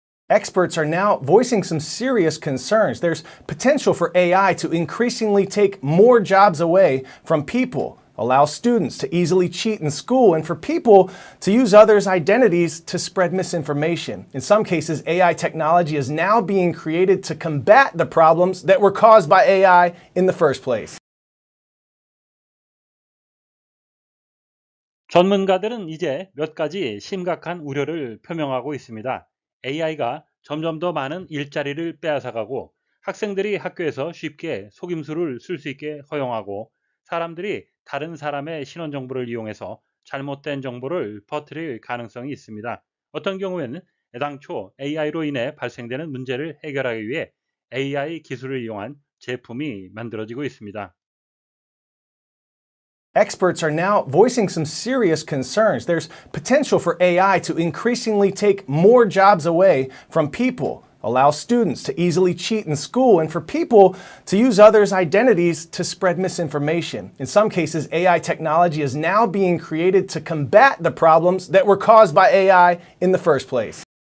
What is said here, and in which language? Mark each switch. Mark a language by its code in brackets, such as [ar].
[en] Experts are now voicing some serious concerns. There's potential for AI to increasingly take more jobs away from people, allow students to easily cheat in school, and for people to use others' identities to spread misinformation. In some cases, AI technology is now being created to combat the problems that were caused by AI in the first place. [ko] 전문가들은 이제 몇 가지 심각한 우려를 표명하고 있습니다. AI가 점점 더 많은 일자리를 빼앗아가고 학생들이 학교에서 쉽게 속임수를 쓸 수 있게 허용하고 사람들이 다른 사람의 신원정보를 이용해서 잘못된 정보를 퍼뜨릴 가능성이 있습니다. 어떤 경우에는 애당초 AI로 인해 발생되는 문제를 해결하기 위해 AI 기술을 이용한 제품이 만들어지고 있습니다. [en] Experts are now voicing some serious concerns. There's potential for AI to increasingly take more jobs away from people, allow students to easily cheat in school, and for people to use others' identities to spread misinformation. In some cases, AI technology is now being created to combat the problems that were caused by AI in the first place.